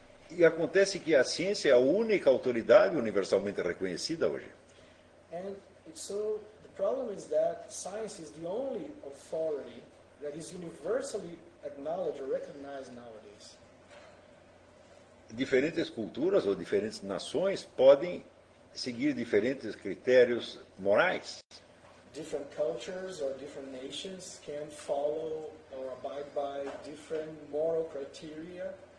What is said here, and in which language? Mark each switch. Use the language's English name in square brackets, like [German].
[Portuguese] E acontece que a ciência é a única autoridade universalmente reconhecida hoje. [English] And so the problem is that science is the only authority that is universally acknowledged or recognized nowadays. [Portuguese] Diferentes culturas ou diferentes nações podem seguir diferentes critérios morais. [English] Different cultures or different nations can follow or abide by different moral criteria.